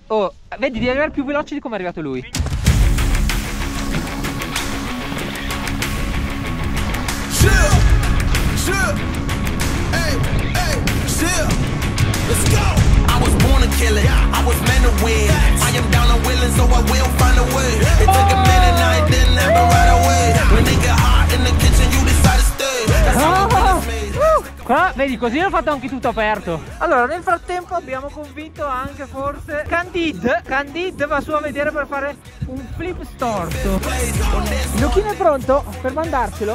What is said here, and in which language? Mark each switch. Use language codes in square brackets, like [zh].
[it] Oh, vedi, devi arrivare più veloce di come è arrivato lui. [en] Chill, chill, hey, chill, let's go. I was born to kill it, yeah. I was meant to win, yes. I am down and willing, so I will find a way, yes. It took a minute, I didn't have it right away, yeah. When it get hot in the kitchen, you decide to stay, yes. That's how it was made. [it] Qua, vedi, così l'ho fatto anche tutto aperto. Allora, nel frattempo abbiamo convinto anche forse Candid. Candid va su a vedere per fare un flip storto. Luchino è pronto per mandarcelo.